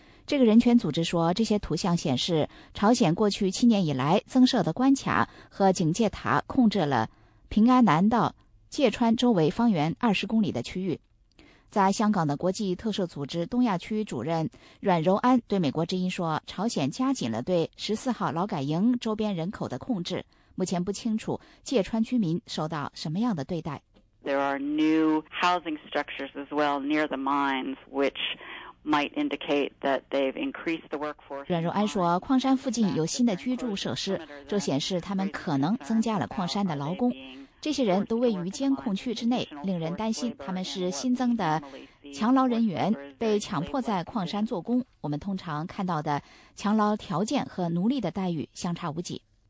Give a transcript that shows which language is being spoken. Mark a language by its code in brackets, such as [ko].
[zh] 这个人权组织说，这些图像显示朝鲜过去七年以来增设的关卡和警戒塔控制了平安南道芥川周围方圆20公里的区域。在香港的国际特赦组织东亚区主任阮柔安对美国之音说，朝鲜加紧了对14号劳改营周边人口的控制，目前不清楚芥川居民受到什么样的对待。 [en] There are new housing structures as well near the mines which might indicate that they've increased the workforce. [zh] 阮柔安说，矿山附近有新的居住设施，这显示他们可能增加了矿山的劳工，这些人都位于监控区之内，令人担心他们是新增的强劳人员，被强迫在矿山做工。我们通常看到的强劳条件和奴隶的待遇相差无几。